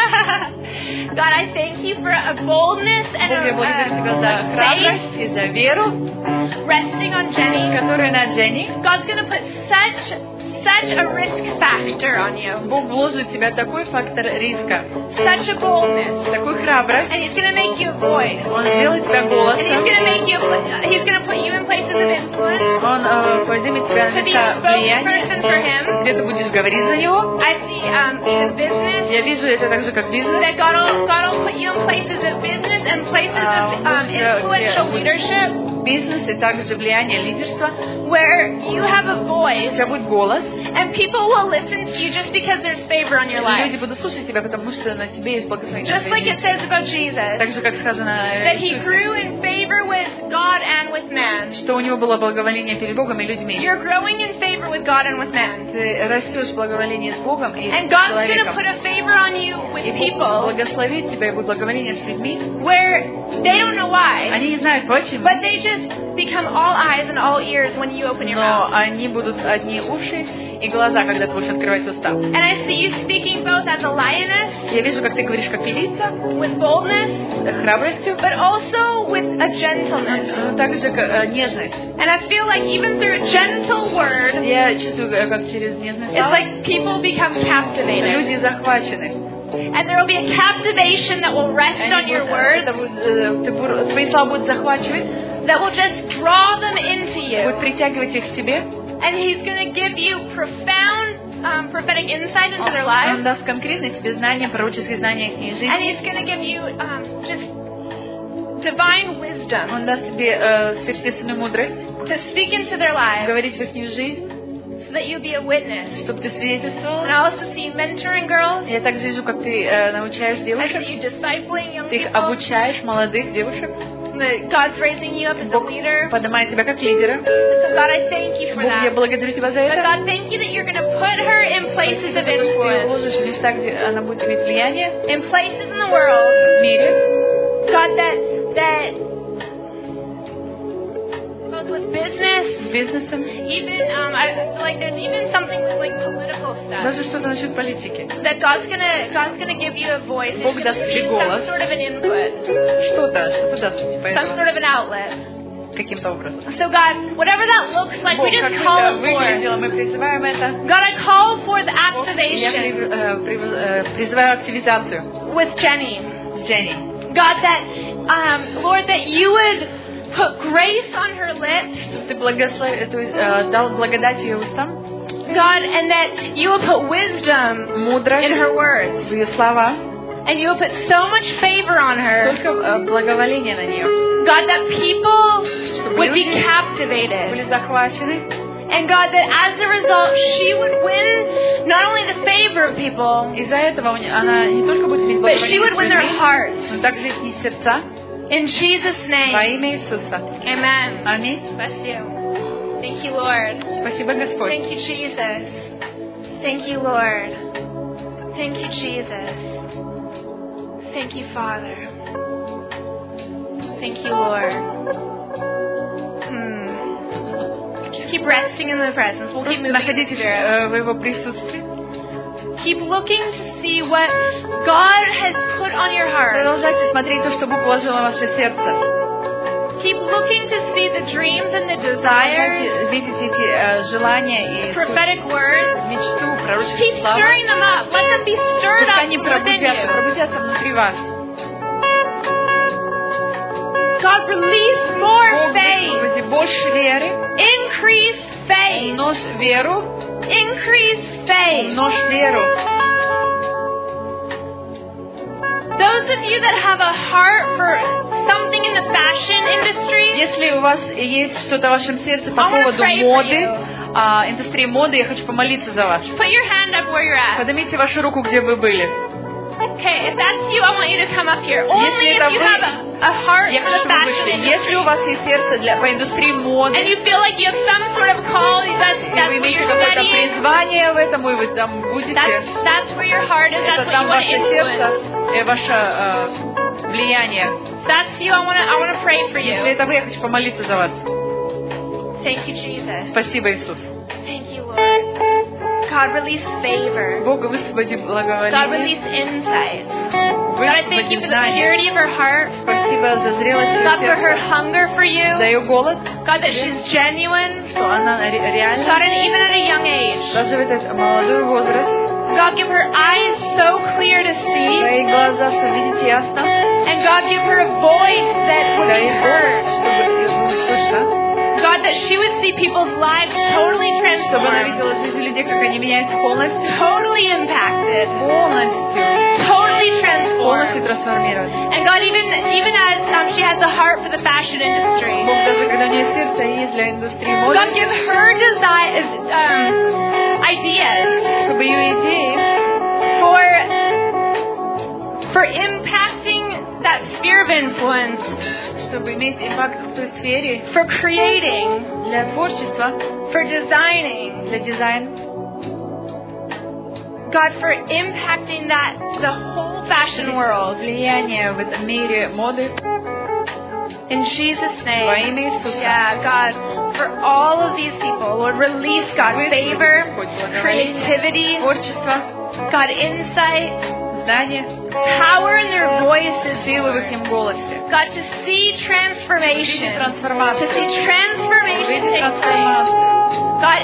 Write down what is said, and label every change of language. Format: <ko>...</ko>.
<en>God, I thank you for a boldness and a faith resting on Jenny. God's going to put such a risk factor on you.</en> <ru>Бог вложит в тебя такой фактор риска.</ru> <en>Such a boldness.</en> <ru>Такую храбрость.</ru> <en>And he's going to make you a voice.</en> <ru>Он сделает тебя голосом.</ru> <en>And he's going to put you in places of influence.</en> <ru>Он поднимет тебя на места влияния. Где ты будешь говорить за него?</ru> <en>I see in business.</en> <ru>Я вижу это так же, как бизнес.</ru> <en>That God will put you in places of business and places of influential leadership.</en> <ru>Бизнес и также влияние лидерства.</ru> <en>Where you have a voice.</en> <ru>У тебя будет голос.</ru> <en>And people will listen to you just because there's favor on your life.</en> <ru>Люди будут слушать тебя, потому что на тебе есть благословение.</ru> <en>Just like it says about Jesus.</en> <ru>Так же, как сказано.</ru> <en>That he grew in favor with God and with man.</en> <ru>Что у него было благоволение перед Богом и людьми.</ru> <en>You're growing in favor with God and with man.</en> <ru>Ты растешь в благоволении с Богом и человеком.</ru> <en>And God's going to put a favor on you with people.</en> <ru>И Бог благословит тебя и будет благоволение с людьми.</ru> <en>Where they don't know why.</en> <ru>Они не знают почему.</ru> <en>But they just become all eyes and all ears when you open your mouth.</en> <ru>Но они будут одни уши и глаза, когда ты будешь открывать уста.</ru> <en>And I see you speaking both as a lioness.</en> <ru>Я вижу, как ты говоришь как львица.</ru> <en>With boldness.</en> <ru>Храбростью.</ru> <en>But also with a gentleness.</en> <ru>Также нежность.</ru> <en>And I feel like even through a gentle word.</en> <ru>Я чувствую, как через нежность.</ru> <en>It's like people become captivated.</en> <ru>Люди захвачены.</ru> <en>And there will be a captivation that will rest on your word.</en> <ru>Твои слова будут захвачивать.</ru> <en>That will just draw them into you.</en> <ru>Будет притягивать их к себе.</ru> <en>And he's going to give you profound prophetic insight into their lives.</en> <ru>Он даст конкретное тебе знание, пророческое знание их жизни.</ru> <en>And he's going to give you just divine wisdom.</en> <ru>Он даст тебе сверхъестественную мудрость.</ru> <en>To speak into their lives.</en> <ru>Говорить в их жизнь.</ru> <en>So that you'll be a witness.</en> <ru>Чтобы ты свидетельствовал.</ru> <en>And I also see you mentoring girls.</en> <ru>Я также вижу, как ты научаешь девушек.</ru> <en>I see you discipling young</en> <ru>ты</ru> <en>people.</en> <ru>Ты обучаешь молодых девушек.</ru> <en>God's raising you up as</en> <ru>Бог</ru> <en>a leader.</en> <ru>Поднимает тебя как лидера.</ru> <en>So God, I thank you for</en> <ru>Бог,</ru> <en>that.</en> <ru>Я благодарю тебя за</ru> <en>But</en> <ru>это.</ru> <en>But God, thank you that you're going to put her in places of influence.</en> <ru>Ты уложишь в места, где она будет иметь влияние.</ru> <en>In places in the world.</en> <ru>В мире.</ru> <en>God, that with business.</en> <ru>С бизнесом.</ru> <en>Even I feel like there's even something with like political stuff.</en> <ru>Даже что-то насчет политики.</ru> <en>That God's gonna give you a voice.</en> <ru>Бог даст тебе голос.</ru> <en>Some sort of an input.</en> <ru>Что-то даст тебе.</ru> <en>Some sort of an outlet.</en> <ru>Каким-то образом.</ru> <en>So God, whatever that looks like,</en> <ru>Бог,</ru> <en>we just call it for.</en> <ru>Мы призываем это.</ru> <en>God, I call for the activation.</en> <ru>Я призываю активизацию.</ru> <en>With Jenny.</en> <ru>С Jenny.</ru> <en>God, that Lord, that you would put grace on her lips.</en> <ru>Ты дал благодать ее устам.</ru> <en>God, and that you will put wisdom</en> <ru>мудрость</ru> <en>in her words.</en> <ru>В ее слова.</ru> <en>And you will put so much favor on her.</en> <ru>Только благоволение на нее.</ru> <en>God, that people would be captivated.</en> <ru>Были захвачены.</ru> <en>And God, that as a result, she would win not only the favor of people.</en> <ru>Из-за этого она не только будет иметь благоволение.</ru> <en>But she would win their hearts.</en> <ru>Но также их сердца.</ru> <en>In Jesus' name.</en> <ru>Во имя Иисуса.</ru> <en>Amen.</en> <ru>Аминь. Спасибо.</ru> <en>Thank you, Lord.</en> <ru>Спасибо, Господь.</ru> <en>Thank you, Jesus. Thank you, Lord. Thank you, Jesus. Thank you, Father. Thank you, Lord. Just keep resting in the presence. We'll keep moving.</en> <ru>Находитесь в его присутствии.</ru> <en>Keep looking to see what God has put on your heart.</en> <ru>Продолжайте смотреть то, что Бог положил на ваше сердце.</ru> <en>Keep looking to see the dreams and the desires.</en> <ru>Видите эти желания и</ru> <en>prophetic words.</en> <ru>Мечту, пророческие слова.</ru> <en>Keep stirring them up. Let them be stirred up within you.</en> <ru>Пробудятся внутри вас.</ru> <en>God, release more faith.</en> <ru>Больше веры.</ru> <en>Increase faith.</en> <ru>Нос веру.</ru> <en>Increase faith. Those of you that have a heart for something in the fashion industry,</en> <ru>если у вас есть что-то в вашем сердце по поводу моды, индустрии моды, я хочу помолиться за вас.</ru> <en>Put your hand up where you're at.</en> <ru>Поднимите вашу руку, где вы были.</ru> <en>Okay, if that's you, I want you to come up here. Only if you have a heart for fashion industry.</en> <ru>Если у вас есть сердце для по индустрии моды.</ru> <en>And you feel like you have some sort of call, that's where you're studying.</en> <ru>Или вы имеете какое-то призвание в этом, и вы там будете.</ru> <en>That's where your heart is. That's what you want to influence.</en> <ru>Это там ваше сердце и ваше влияние.</ru> <en>That's you. I want to pray for you.</en> <ru>Если это вы, я хочу помолиться за вас.</ru> <en>Thank you, Jesus.</en> <ru>Спасибо, Иисус.</ru> <en>Thank you, Lord. God, release favor.</en> <ru>Бога, высвободи благоволение.</ru> <en>God, release insights. God, I thank you for the purity of her heart.</en> <ru>Спасибо за зрелость сердца.</ru> <en>God, for her hunger for you.</en> <ru>За ее голод.</ru> <en>God, that she's genuine.</en> <ru>Что она реальна.</ru> <en>God, and even at a young age.</en> <ru>Даже в этот молодой возраст.</ru> <en>God, give her eyes so clear to see.</en> <ru>Твои глаза, что видеть ясно.</ru> <en>And God, give her a voice that would be heard. God, that she would see people's lives totally transformed. Totally impacted. Totally transformed. And God, even as she has a heart for the fashion industry, God, give her ideas for impacting that sphere of influence.</en> <ru>Чтобы иметь импакт в той сфере.</ru> <en>For creating.</en> <ru>Для творчества.</ru> <en>For designing.</en> <ru>Для дизайна.</ru> <en>God, for impacting that the whole fashion world.</en> <ru>Влияние в этом мире моды.</ru> <en>In Jesus' name.</en> <ru>Во имя Иисуса.</ru> <en>Yeah, God, for all of these people, Lord, release God's favor, creativity,</en> <ru>творчество,</ru> <en>God, insight,</en> <ru>знание,</ru> <en>power in their voices,</en> <ru>силу в их голосе.</ru> <en>God, to see transformation. To see transformation take place.</en>